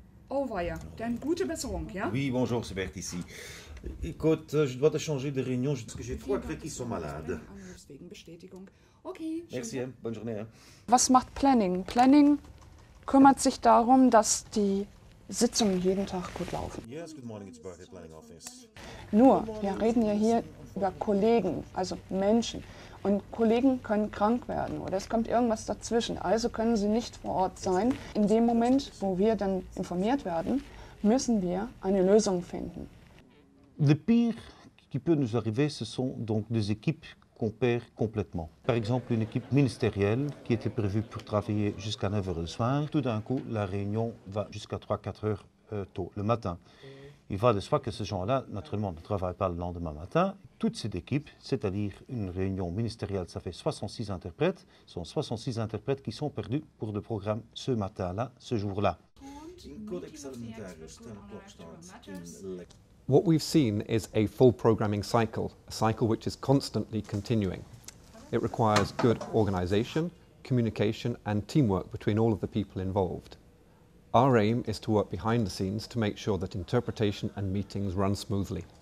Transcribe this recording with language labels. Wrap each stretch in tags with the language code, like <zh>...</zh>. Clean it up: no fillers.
<fr>Au revoir, tu as une</fr> <de>gute Besserung, ja?</de> <fr>Oui, bonjour, c'est Bert ici. Écoute, je dois te changer de réunion parce que j'ai 3 clés qui sont malades. Merci, bonne journée.</fr> <de>Was macht Planning? Planning kümmert sich darum, dass die Sitzungen jeden Tag gut laufen.</de> <en>Yes, good morning, it's Bert, planning office.</en> <de>Nur, wir reden ja hier über Kollegen, also Menschen. Und Kollegen können krank werden oder es kommt irgendwas dazwischen. Also können sie nicht vor Ort sein. In dem Moment, wo wir dann informiert werden, müssen wir eine Lösung finden.</de> <fr>Le pire qui peut nous arriver, ce sont donc des équipes qu'on perd complètement. Par exemple, une équipe ministérielle qui était prévue pour travailler jusqu'à 9 heures le soir, tout d'un coup, la réunion va jusqu'à 3-4 heures tôt, le matin. Il va de soi que ces gens-là, naturellement, ne travaillent pas le lendemain matin. Toute cette équipe, c'est-à-dire une réunion ministérielle, ça fait 66 interprètes, ce sont 66 interprètes qui sont perdus pour le programme ce matin-là, ce jour-là.</fr> <en>What we've seen is a full programming cycle, a cycle which is constantly continuing. It requires good organisation, communication and teamwork between all of the people involved. Our aim is to work behind the scenes to make sure that interpretation and meetings run smoothly.</en>